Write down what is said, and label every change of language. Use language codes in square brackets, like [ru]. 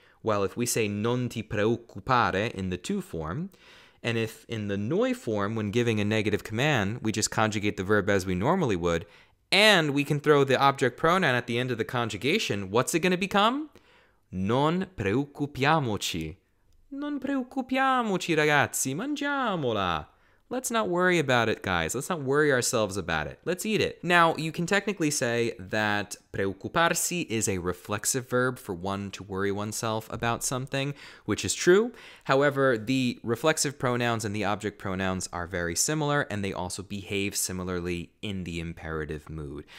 [en] Well, if we say [it] non ti preoccupare [en] in the to form, and if in the noi form, when giving a negative command, we just conjugate the verb as we normally would, and we can throw the object pronoun at the end of the conjugation, what's it going to become? [it] Non preoccupiamoci. Non preoccupiamoci, ragazzi. Mangiamola. [en] Let's not worry about it, guys. Let's not worry ourselves about it. Let's eat it. Now, you can technically say that preoccuparsi is a reflexive verb for one to worry oneself about something, which is true. However, the reflexive pronouns and the object pronouns are very similar, and they also behave similarly in the imperative mood.